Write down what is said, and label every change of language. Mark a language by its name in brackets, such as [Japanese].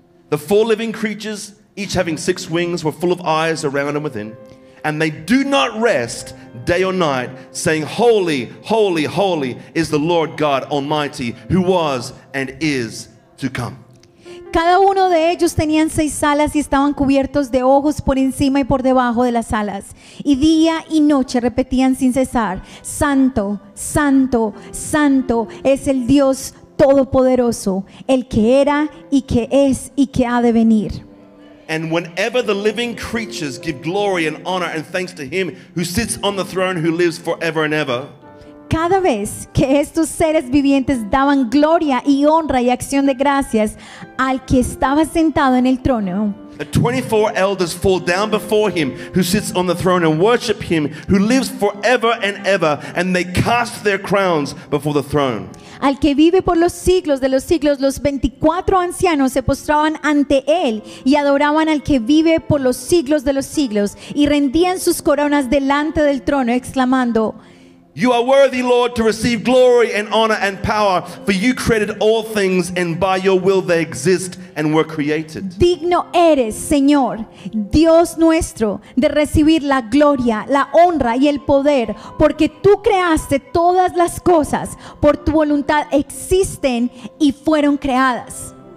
[English] The four living creatures, each having six wings, were full of eyes around and within, and they do not rest day or night, saying, Holy, holy, holy is the Lord God Almighty, who was and is to come. [Spanish] Cada uno de ellos tenían seis alas y estaban cubiertos de ojos por encima y por debajo de las alas. Y día y noche repetían sin cesar, Santo, Santo, Santo es el Dios Todopoderoso, el que era y que es y que ha de venir. [English] And whenever the living creatures give glory and honor and thanks to him who sits on the throne who lives forever and ever. [Spanish] Cada vez que estos seres vivientes daban gloria y honra y acción de gracias al que estaba sentado en el trono. [English] The 24 elders fall down before him who sits on the throne and worship him who lives forever and ever, and they cast their crowns before the throne. [Spanish] Al que vive por los siglos de los siglos, los 24 ancianos se postraban ante él y adoraban al que vive por los siglos de los siglos y rendían sus coronas delante del trono exclamando, [English] You are worthy, Lord, to receive glory and honor and power, for you created all things, and by your will they exist and were created. [Spanish] Digno eres, Señor, Dios nuestro, de recibir la gloria, la honra y el poder, porque tú creaste todas las cosas, por tu voluntad existen y fueron creadas.